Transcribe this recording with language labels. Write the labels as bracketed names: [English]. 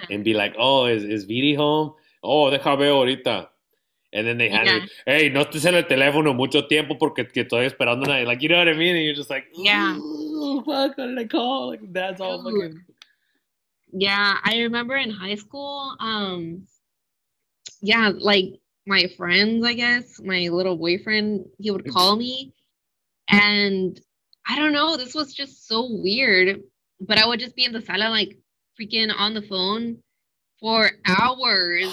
[English] and be like, oh, is Viri home? [Spanish] Oh, deja veo ahorita. [English] And then they had hey, [Spanish] no estés en el teléfono mucho tiempo porque estoy esperando una. [English] Like, you know what I mean? And you're just like, fuck, what did I call? Like, that's all fucking. Yeah, I remember in high school, like my friends, I guess, my little boyfriend, he would call me. And I don't know, this was just so weird, but I would just be in the sala, like freaking on the phone for hours.